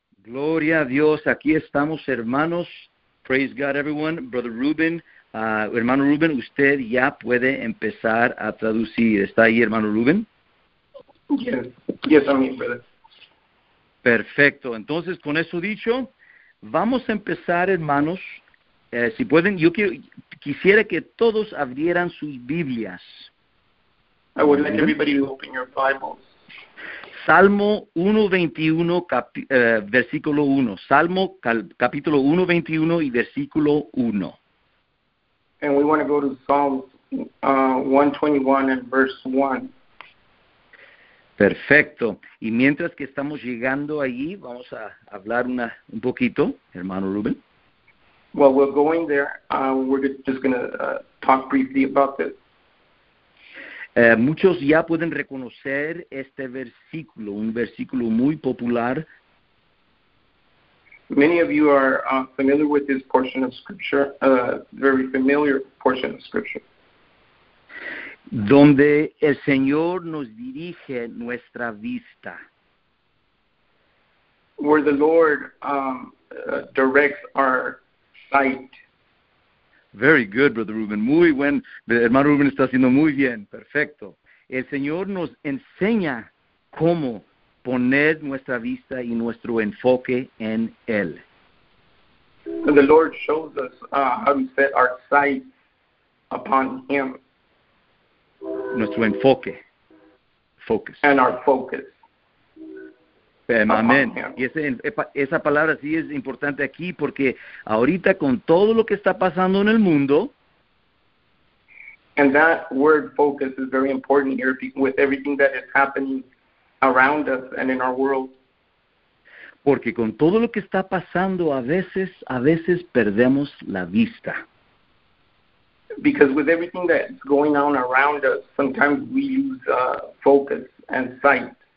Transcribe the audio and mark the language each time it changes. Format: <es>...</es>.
<es>Gloria a Dios, aquí estamos hermanos,</es> <en>praise God everyone,</en> <es>brother Ruben, hermano Ruben, usted ya puede empezar a traducir, ¿está ahí hermano Ruben?</es> <en>Yes, I'm here, brother.</en> <es>Perfecto, entonces con eso dicho, vamos a empezar hermanos, si pueden, yo quisiera que todos abrieran sus Biblias.</es> <en>I would like everybody to open your Bibles.</en> <es>Salmo 121, versículo 1. Salmo, capítulo 121 y versículo 1.</es> <en>And we want to go to Psalms 121 and verse 1.</en> <es>Perfecto. Y mientras que estamos llegando allí, vamos a hablar un poquito, hermano Ruben.</es> <en>Well, we're going there. We're just going to talk briefly about this.</en> <es>Muchos ya pueden reconocer este versículo, un versículo muy popular.</es> <en>Many of you are familiar with this portion of scripture, very familiar portion of scripture.</en> <es>Donde el Señor nos dirige nuestra vista.</es> <en>Where the Lord directs our sight. Very good, Brother Ruben.</en> <es>Muy buen. Hermano Ruben está haciendo muy bien. Perfecto. El Señor nos enseña cómo poner nuestra vista y nuestro enfoque en Él.</es> <en>The Lord shows us how to set our sight upon Him.</en> <es>Nuestro enfoque. Focus.</es> <en>And our focus.</en> <es>Amén. Y esa palabra sí es importante aquí porque ahorita con todo lo que está pasando en el mundo.</es> <en>And that word focus is very important here with everything that is happening around us and in our world.</en> <es>Porque con todo lo que está pasando a veces perdemos la vista.</es> <en>Because with everything that's going on around us, sometimes we lose focus and sight.</en>